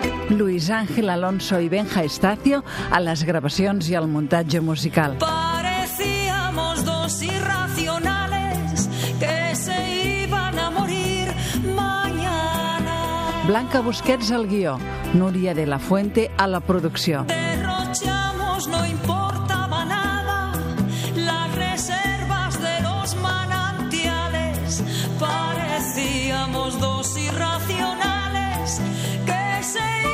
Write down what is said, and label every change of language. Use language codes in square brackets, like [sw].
[es] Luis Ángel Alonso y Benja Estacio a las grabaciones y al montaje musical. Parecíamos dos irracionales que se iban a morir mañana. [ca] Blanca Busquets al guió, Núria de la Fuente a la producció. [es] Derrochamos, no importaba nada, las reservas de los manantiales. Parecíamos dos irracionales que se